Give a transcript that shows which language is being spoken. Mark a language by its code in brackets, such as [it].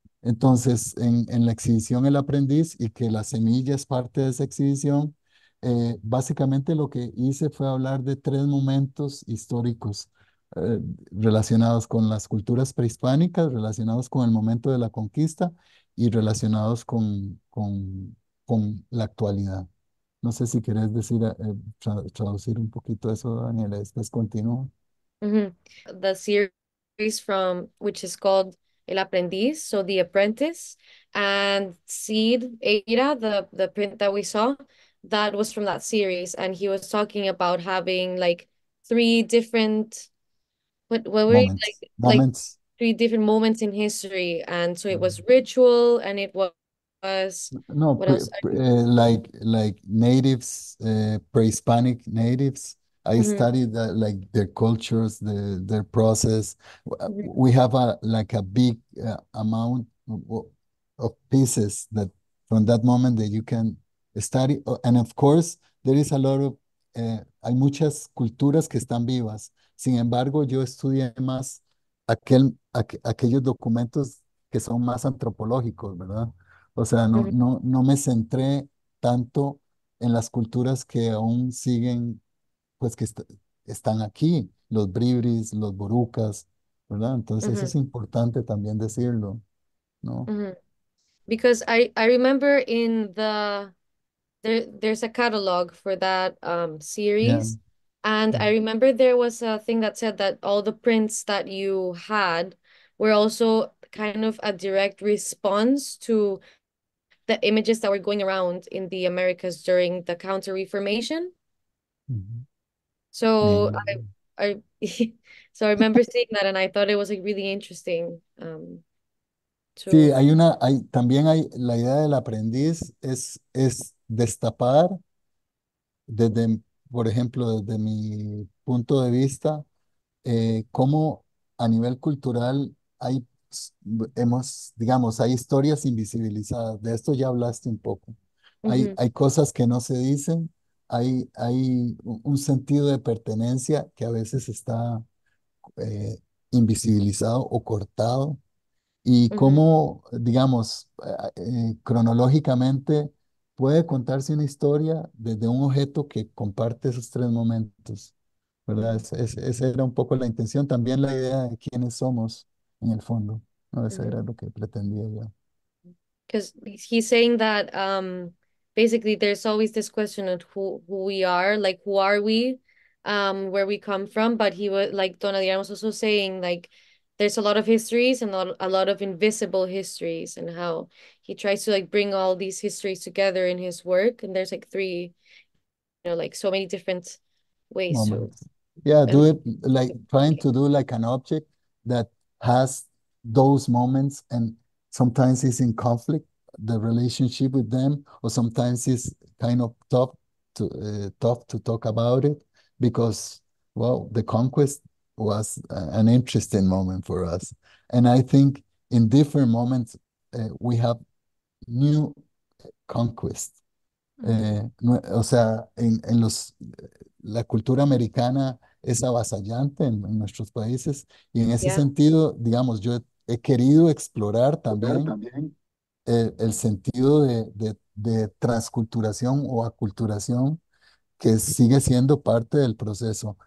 [es] Entonces, en la exhibición El Aprendiz y que la semilla es parte de esa exhibición, básicamente lo que hice fue hablar de tres momentos históricos relacionados con las culturas prehispánicas, relacionados con el momento de la conquista y relacionados con la actualidad. No sé si quieres decir, traducir un poquito eso, Daniela, después continúo. [en] The series from which is called El Aprendiz, so The Apprentice, and Seed Eira, the print that we saw, that was from that series. And he was talking about having like three different, what were Moments, like moments. three different moments in history. And so it was ritual, and it was, No, what else? like natives, pre-Hispanic natives. I studied that, like their cultures, their process. We have a big amount of pieces that from that moment that you can study. And of course, there is a lot of [es] hay muchas culturas que están vivas. Sin embargo, yo estudié más aquellos documentos que son más antropológicos, ¿verdad? O sea, no me centré tanto en las culturas que aún siguen, pues que están aquí, los bribris, los borucas, ¿verdad? Entonces eso es importante también decirlo, ¿no? [en] Because I remember in the there's a catalog for that Yeah. series, and I remember there was a thing that said that all the prints that you had were also kind of a direct response to the images that were going around in the Americas during the Counter-Reformation. So Maybe. I so I remember seeing that, and I thought it was like really interesting. [es] Sí, hay una, hay también hay la idea del aprendiz es destapar desde, por ejemplo, desde mi punto de vista, cómo a nivel cultural hay hemos, digamos, hay historias invisibilizadas. De esto ya hablaste un poco. Hay cosas que no se dicen. Hay un sentido de pertenencia que a veces está invisibilizado o cortado. Y cómo, digamos, cronológicamente puede contarse una historia desde un objeto que comparte esos tres momentos, ¿verdad? Esa era un poco la intención. También la idea de quiénes somos en el fondo, ¿no? Eso era lo que pretendía yo. [en] Because he's saying that basically, there's always this question of who we are, like who are we, where we come from. But he was like Don Adrian was also saying, like there's a lot of histories and a lot of invisible histories, and how he tries to like bring all these histories together in his work. And there's like three, like so many different ways to. Moments. Yeah, do it like trying to do like an object that has those moments and sometimes it's in conflict, the relationship with them, or sometimes it's kind of tough to talk about it because, well, the conquest was an interesting moment for us. And I think in different moments, we have new conquests. [es] O sea, en los. La cultura americana es avasallante en nuestros países y en ese sentido, digamos, yo he querido explorar Explorar también también. El El sentido de transculturación o aculturación que sigue siendo parte del proceso.